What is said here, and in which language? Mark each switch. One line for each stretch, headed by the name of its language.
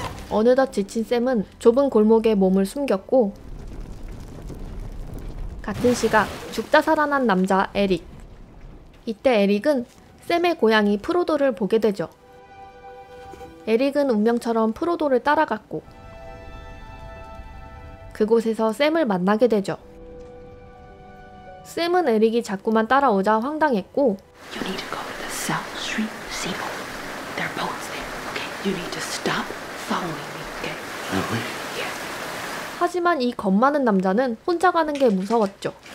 Korean: 어느덧 지친 샘은 좁은 골목에 몸을 숨겼고 같은 시각 죽다 살아난 남자 에릭. 이때 에릭은 샘의 고향이 프로도를 보게 되죠. 에릭은 운명처럼 프로도를 따라갔고 그곳에서 샘을 만나게 되죠. 샘은 에릭이 자꾸만 따라오자 황당했고
English: You need to go to the South Street Seaport. There are boats there. Okay. You need to stop following me. Okay. Really? Yeah.
Korean: 하지만 이 겁 많은 남자는 혼자 가는 게 무서웠죠.